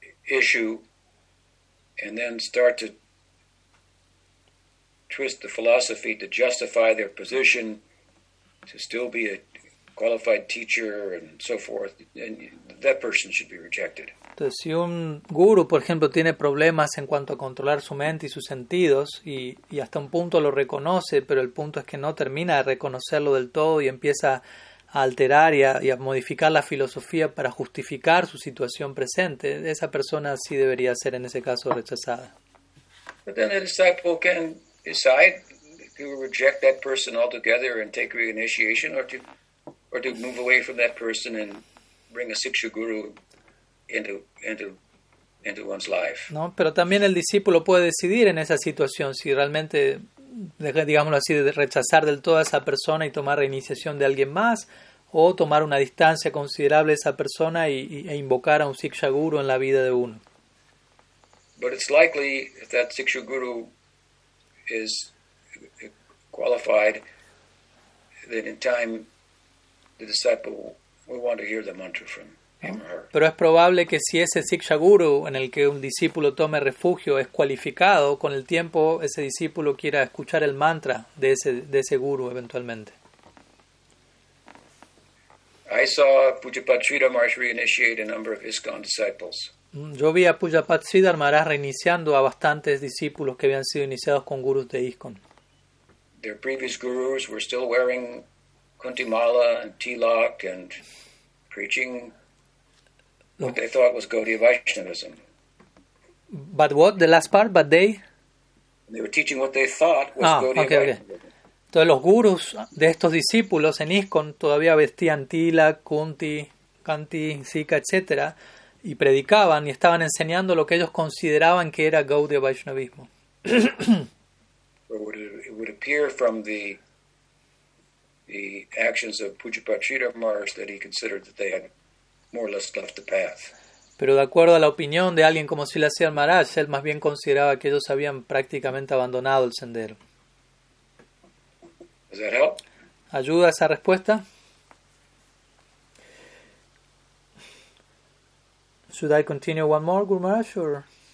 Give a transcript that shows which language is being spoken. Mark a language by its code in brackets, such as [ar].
[en] issue, and then start to twist the philosophy to justify their position to still be a qualified teacher and so forth, and that person should be rejected. [es] Entonces, si un guru, por ejemplo, tiene problemas en cuanto a controlar su mente y sus sentidos, y hasta un punto lo reconoce, pero el punto es que no termina de reconocerlo del todo y empieza a alterar y a modificar la filosofía para justificar su situación presente, esa persona sí debería ser, en ese caso, rechazada. [en] But then the disciple can decide to reject that person altogether and take reinitiation, or to move away from that person and bring a siksha guru into one's life. [es] No, pero también el discípulo puede decidir en esa situación si realmente, digámoslo así, de rechazar del todo a esa persona y tomar reiniciación de alguien más, o tomar una distancia considerable de esa persona e invocar a un siksha guru en la vida de uno. [en] But it's likely if that siksha guru is qualified, that in time the disciple will want to hear the mantra from. [es] Pero es probable que si ese siksha guru en el que un discípulo tome refugio es cualificado, con el tiempo ese discípulo quiera escuchar el mantra de ese guru eventualmente. [en] I saw Pujapat Sridhar Maharaj reinitiate a number of ISKCON disciples. [es] Yo vi a Pujapat Sridhar Maharaj reiniciando a bastantes discípulos que habían sido iniciados con gurús de ISKCON. [en] Their previous gurus were still wearing Kunti Mala and Tilak and preaching what they thought was Gaudiya Vaishnavism. But what? The last part? But they? They were teaching what they thought was Gaudiya Vaishnavism. [es] Entonces los gurus de estos discípulos en ISKCON todavía vestían tila, kunti, kanti, sika, etc. Y predicaban y estaban enseñando lo que ellos consideraban que era Gaudiya Vaishnavismo. [en] It would appear from the actions of Pujapat Sridhar Maharaj that he considered that they had more or less left the path. [es] Pero de acuerdo a la opinión de alguien como Srila Sridhar Maharaj, él más bien consideraba que ellos habían prácticamente abandonado el sendero. [en] Does that help? [es] ¿Ayuda esa respuesta? [en] Should I continue one more, Guru Maharaj, or?